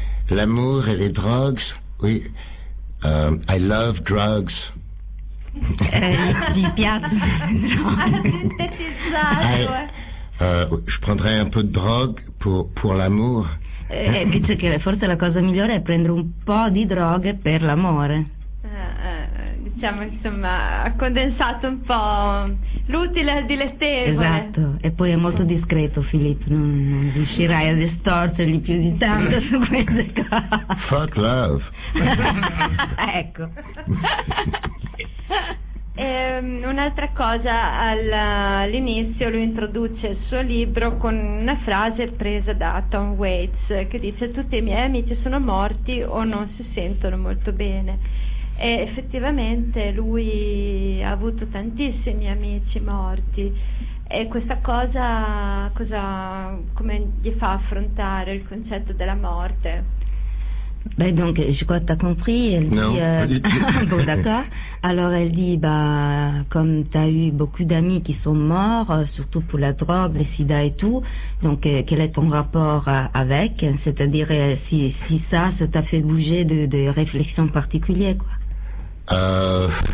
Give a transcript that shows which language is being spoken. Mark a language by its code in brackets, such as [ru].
[fr] L'amour et les drogues, oui. [en] I love drugs. [it] Ti piace. [fr] Je prendrai un peu de drogue pour l'amour. [it] Dice che forse la cosa migliore è prendere un po' di droghe per l'amore. Diciamo, insomma, ha condensato un po' l'utile al dilettevole. Esatto, e poi è molto discreto, Philippe, non riuscirai a distorcergli più di tanto su queste cose. [en] Fuck love. [it] Ecco. Un'altra cosa, all'inizio lui introduce il suo libro con una frase presa da Tom Waits che dice: tutti i miei amici sono morti o non si sentono molto bene. E effettivamente lui ha avuto tantissimi amici morti, e questa cosa come gli fa affrontare il concetto della morte? [fr] Ben donc, je crois que t'as compris, elle [it] non, [fr] dit, bon d'accord, alors elle dit, comme t'as eu beaucoup d'amis qui sont morts, surtout pour la drogue, les sida et tout, donc quel est ton rapport avec, c'est-à-dire si ça t'a fait bouger de réflexions particulières, quoi.